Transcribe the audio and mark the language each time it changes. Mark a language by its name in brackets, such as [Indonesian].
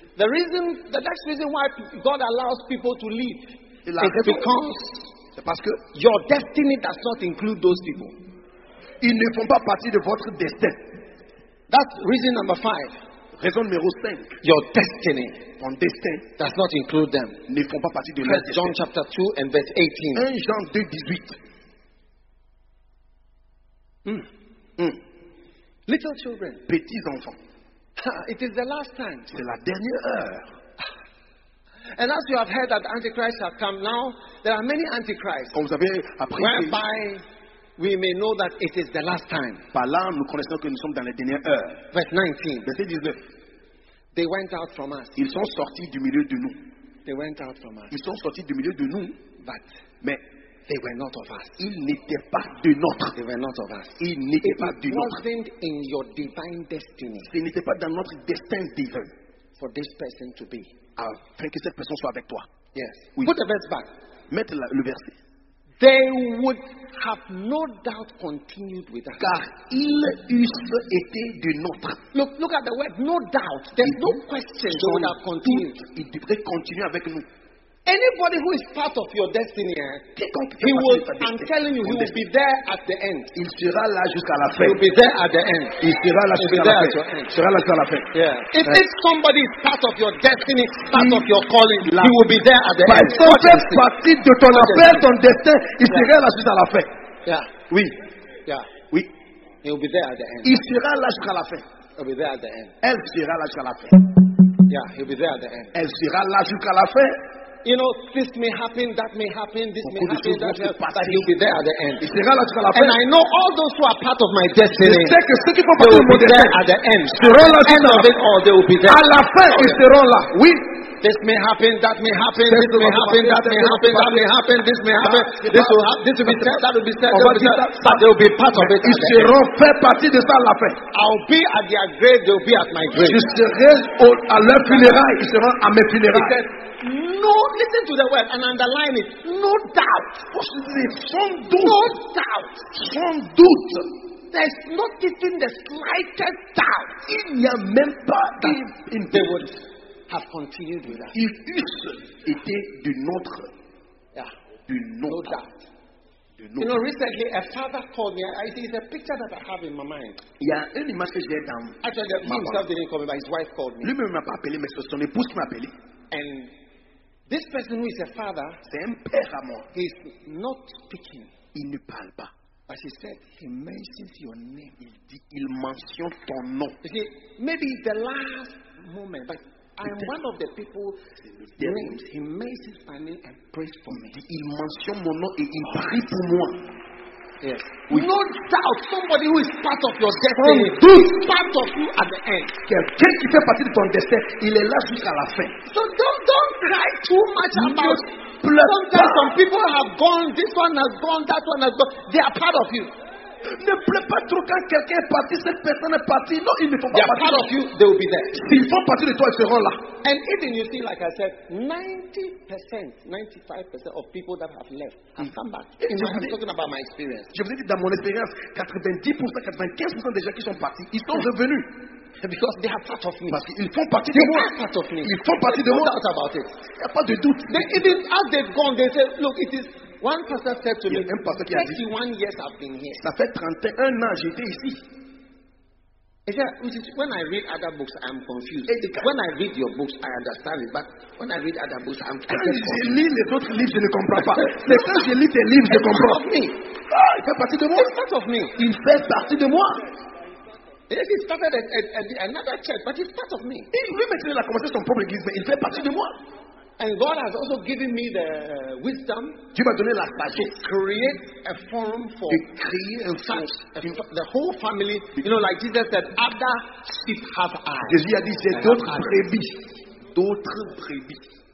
[English] The reason, the next reason why God allows people to leave is because [French] c'est parce que [English] your destiny does not include those people. [French] Ils ne font pas partie de votre destin. [English] That's reason number five. [French] Raison numéro cinq. [English] Your destiny. [French] Ton destin. [English] Does not include them. [French] Ne font pas partie de leur destin. [English] John chapter 2 and verse 18. [French] 1 Jean 2, 18. [English] Little children. [French] Petits enfants. [English] It is the last time. [French] C'est la dernière heure. [English] And as you have heard that Antichrist have come now, there are many Antichrists. [French] Comme vous avez appris. [English] Whereby we may know that it is the last time. [French] Par là, nous connaissons que nous sommes dans les dernières heures. [English] Verse 19. [French] Verset 19. [English] They went out from us. [French] Ils sont sortis du milieu de nous. [English] They went out from us. [French] Ils sont sortis du milieu de nous. [English] But [French] mais [English] they were not of us. [French] Ils n'étaient pas de notre. [English] They were not of us. [French] Ils n'étaient pas de notre. [English] It wasn't in your divine destiny. [French] Ils n'étaient pas dans notre destin divin. [English] For this person to be. [French] Afin que cette personne soit avec toi. [English] Yes. [French] Oui. [English] Put the verse back. [French] Mettez le verset. [English] They would have no doubt continued with us. [French] Car ils eussent été de notre. [English] Look at the word, no doubt. There's no question they would have continued. [French] Ils devraient continuer avec nous. [English] Anybody who is part of your destiny, he will, I'm telling you, he will be there at the end. [French] Il sera là jusqu'à la fin. [English] He will be there at the end. [French] Il sera là jusqu'à la fin. [English] Yeah. If it's somebody is part of your destiny, part of your calling, he will be there at the end. [French] Si fait partie de ton appel, ton destin, il sera là jusqu'à la fin. [English] Yeah. [French] Oui. [English] Yeah. [French] Oui. [English] He will be there at the end. [French] Il sera là jusqu'à la fin. [English] He will be there at the end. [French] Elle sera là jusqu'à la fin. [English] Yeah. He will be there at the end. [French] Elle sera là jusqu'à la fin. [English] You know, this may happen, that may happen, this may happen, that may happen, but he'll be there at the end. [French] Il sera là jusqu'à la fin. [English] And I know all those who are part of my destiny, [French] je sais que ceux qui font [English] they will [French] partie [English] there at the end. [French] Sera là [English] end of it all, they will be there. [French] À la fin, ils seront là. Oui. [English] This may happen, that may happen, this may happen, that may happen, that may happen, this may happen, this will happen, this will be said, that will be said, but they will be part of it. [French] Ils seront fait partie de ça à la fin. [English] I'll be at their grave, they'll be at my grave. [French] Je serai à leur funérailles, ils seront à mes funérailles. [English] No, listen to the word and underline it. No doubt. What is it? [French] Sans doute. [English] No doubt. [French] Sans doute. [English] There's not even the slightest doubt. [French] Il n'y a même pas [English] in the word. Have continued with us. [French] Ils eussent été de notre. [English] Yeah. [French] De notre. [English] No doubt. You know, recently a father called me. I think it's a picture that I have in my mind. Yeah, any message there down. Actually, he himself didn't call me, but his wife called me. [French] Lui-même m'a pas appelé, mais c'est son épouse qui m'a appelé. [English] And This person who is a father, [French] c'est un père à moi. [English] He's not speaking. [French] Il ne parle pas. [English] But he said, he mentions your name. [French] Il dit, il mentionne ton nom. [English] You see, maybe the last moment, but I'm one of the people named. He mentions my name and prays for me. [French] Il mentionne mon nom et il prie pour moi. [English] Yes. [French] Oui. [English] No doubt, somebody who is part of your destiny, who is part of you at the end. [French] Quelqu'un qui fait partie de ton destin, il est là jusqu'à la fin. [English] So don't cry too much about. Sometimes some people have gone. This one has gone. That one has gone. They are part of you. [French] Ne pleure pas trop quand quelqu'un est parti. Cette personne est partie. Non, ils ne font pas partie. [English] They are part of you. They will be there. [French] S'ils font partie de toi, ils seront là. [English] And even you see, like I said, 90%, 95% of people that have left have come back. I'm talking about my experience. [French] Je vous ai dit dans mon expérience, 90%, 95% des gens qui sont partis, ils sont revenus. [English] Because they are part of me. [French] Parce qu'ils font partie [English] they [French] de moi. [English] They are part of me. [French] Ils font partie [English] There's [French] de moi. [English] Doubt about it. [French] Il n'y a pas de doute. [English] They, even as they've gone, they say, look, it is. One pastor said to me, pastor 31 [French] dit, [English] years I've been here. [French] Ça fait 31 ans j'étais ici. [English] He said, when I read other books, I'm confused. When I read your books, I understand it. But when I read other books, I'm confused. [French] Quand je lis les autres livres, je ne comprends pas. Mais quand je lis tes livres, je comprends. [English] It's part of me. [French] Ah, il fait partie de moi. [English] It's part of me. [French] Il fait partie de moi. [English] Yes, he started another church, but he's part of me. [French] Lui-même, il a commencé son propre église, mais il fait partie de moi. [English] And God has also given me the wisdom. [French] Dieu m'a donné la sagesse. [English] To create a forum for the whole family. You know, like Jesus said, other sheep have eyes. [French] Jésus a dit, c'est d'autres brebis. D'autres brebis.